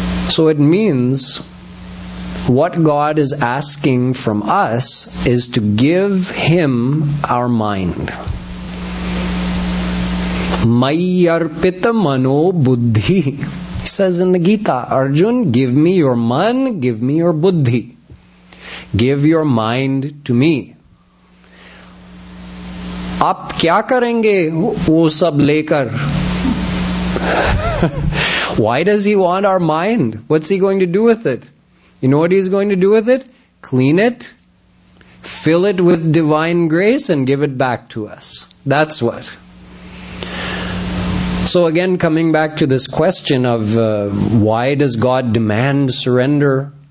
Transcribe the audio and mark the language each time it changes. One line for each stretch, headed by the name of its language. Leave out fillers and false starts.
English: So it means, what God is asking from us is to give Him our mind.
Sanskrit: Mayyarpita mano buddhi.
English: He says in the Gita, Arjun, give me your man, give me your buddhi. Give your mind to me.
Hindi: आप क्या करेंगे वो सब लेकर?
English: Why does He want our mind? What's He going to do with it? You know what He's going to do with it? Clean it, fill it with divine grace, and give it back to us. That's what. So again, coming back to this question of why does God demand surrender?